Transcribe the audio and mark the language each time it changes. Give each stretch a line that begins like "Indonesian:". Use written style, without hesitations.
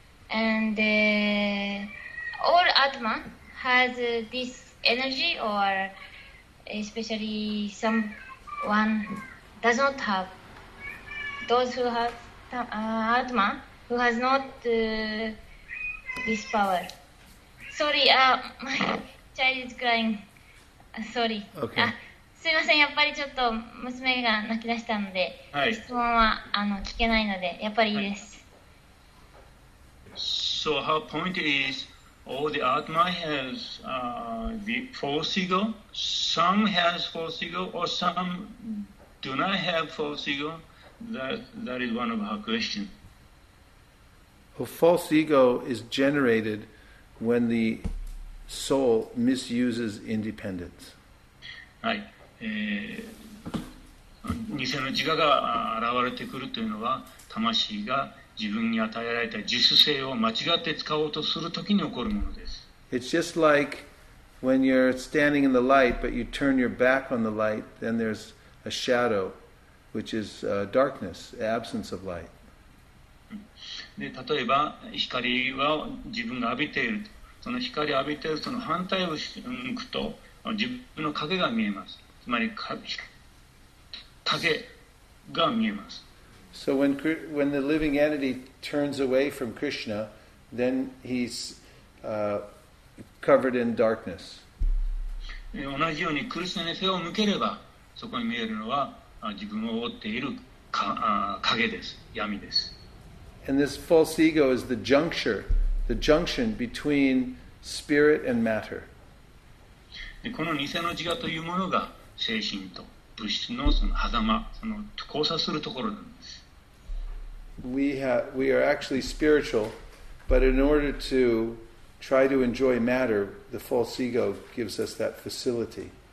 English: And all Atma has this energy, or especially someone does not have. Those who have Atma who has not this power. Sorry, my child is crying. Sorry. Okay.
Japanese: すいません、やっぱりちょっと娘が泣き出したので、はい、質問はあの聞けないので、やっぱりいいです。はい、
English: So her point is, all the Atma has the false ego. Some has false ego, or some do not have false ego. That is one of her questions. Well, false ego is generated when the soul misuses independence. Right.
Japanese: 偽の自我が現れてくるというのは、魂が自分に与えられた自主性を間違って使おうとするときに起こるものです。
English: It's just like when you're standing in the light, but you turn your back on the light, then there's a shadow, which is darkness, absence of light.
Japanese: で、例えば光は自分が浴びている、その光を浴びているその反対を向くと自分の影が見えます。つまり影が見えます。
English: So when the living entity turns away from Krishna, then he's covered in darkness.
Japanese: 同じようにクリシュナに背を向ければ、そこに見えるのは自分を覆っているか影です、闇です。
English: And this false ego is the juncture, the junction between spirit and matter.
Japanese: でこの偽の自我というものが精神と物質のその狭間、その交差するところなんです。
English: We are actually spiritual, but in order to try to enjoy matter, the false ego gives us that facility.